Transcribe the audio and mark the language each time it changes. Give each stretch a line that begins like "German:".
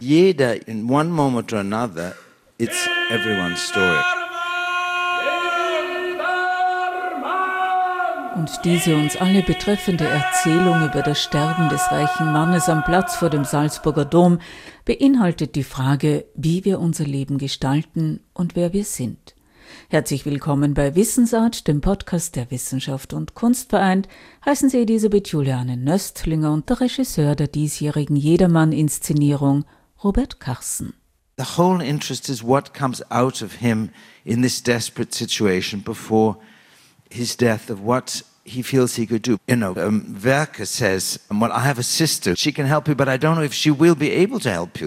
English: Jeder, in one moment or another, it's everyone's story.
German: Und diese uns alle betreffende Erzählung über das Sterben des reichen Mannes am Platz vor dem Salzburger Dom beinhaltet die Frage, wie wir unser Leben gestalten und wer wir sind. Herzlich willkommen bei Wissensart, dem Podcast der Wissenschaft und Kunst vereint. Heißen Sie Elisabeth Juliane Nöstlinger und der Regisseur der diesjährigen Jedermann-Inszenierung, Robert Karsen.
English: The whole interest is what comes out of him in this desperate situation before his death, of what he feels he could do. You know, Werke says, well, I have a sister, she can help you, but I don't know if she will be able to help you.